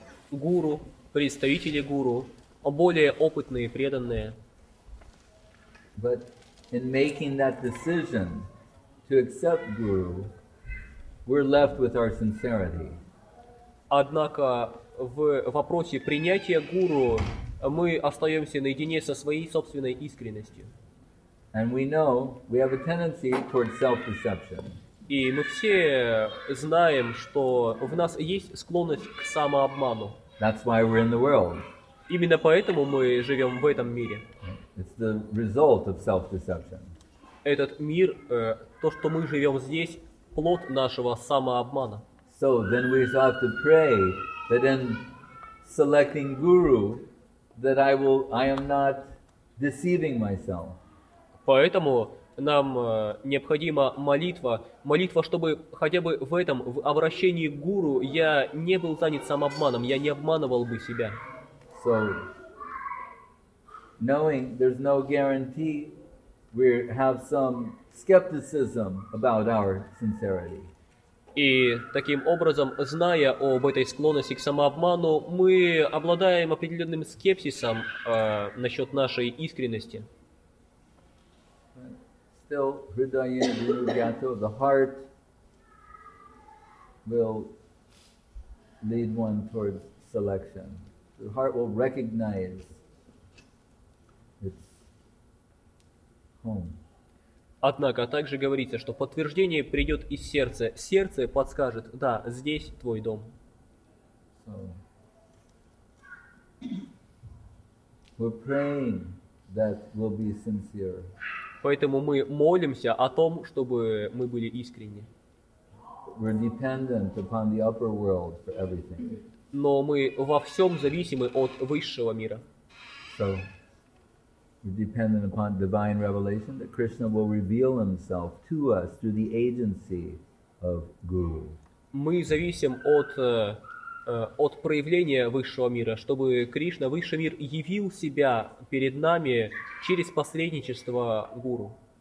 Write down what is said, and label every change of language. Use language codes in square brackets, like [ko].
[ru] Guru, представители Guru, более опытные, преданные. [en] But in making that decision to accept Guru, we're left with our sincerity. [ru] Однако в вопросе принятия Гуру мы остаемся наедине со своей собственной искренностью. [en] And we know we have a tendency towards self-deception. [ru] И мы все знаем, что в нас есть склонность к самообману. [en] That's why we're in the world. [ru] Именно поэтому мы живем в этом мире. [en] It's the result of self-deception. [ru] Этот мир, то, что мы живем здесь, плод нашего самообмана. [en] So then we have to pray that in selecting guru, that I am not deceiving myself. [ru] Поэтому нам необходима молитва, чтобы хотя бы в этом, в обращении к гуру, я не был занят самообманом, я не обманывал бы себя. [en] So, knowing there's no guarantee, we have some skepticism about our sincerity. [ru] И таким образом, зная об этой склонности к самообману, мы обладаем определенным скепсисом насчет нашей искренности. [en] Still, Hridayen Guru Gato, the heart will lead one towards selection. The heart will recognize its home. [ru] Однако также говорится, что подтверждение придет из сердца. Сердце подскажет, да, здесь твой дом. [en] So, we're praying that we'll be sincere. [ru] Поэтому мы молимся о том, чтобы мы были искренни. [en] We're dependent upon the upper world for everything. [ru] Но мы во всем зависимы от высшего мира. [en] So, we're dependent upon divine revelation that Krishna will reveal himself to us through the agency of Guru. [ru] Мы зависим от проявления высшего мира, чтобы Кришна, высший мир, явил себя перед нами через посредничество гуру.